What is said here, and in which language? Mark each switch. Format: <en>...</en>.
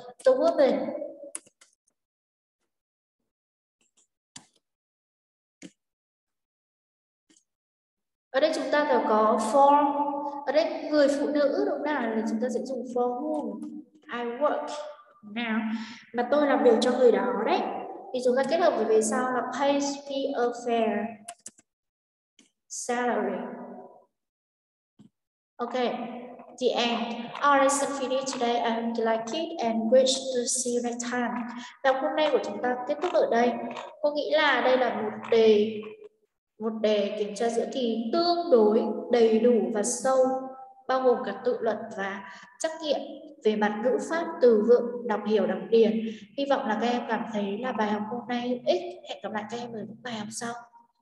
<en>The woman</en> <vi>ở đây chúng ta có for, ở đây người phụ nữ đúng nào, thì chúng ta sẽ dùng</vi> <en>for whom I work now,</en> <vi>mà tôi làm việc cho người đó đấy, thì chúng ta kết hợp với về sau là</vi> <en>pays me a fair salary. Ok, the end. Our lesson finished today. I hope you like it and wish to see you next time.</en> <vi>Và hôm nay của chúng ta kết thúc ở đây. Cô nghĩ là đây là một đề kiểm tra giữa kỳ tương đối đầy đủ và sâu, bao gồm cả tự luận và trắc nghiệm về mặt ngữ pháp, từ vựng, đọc hiểu, đọc điền. Hy vọng là các em cảm thấy là bài học hôm nay hữu ích. Hẹn gặp lại các em ở những bài học sau.</vi>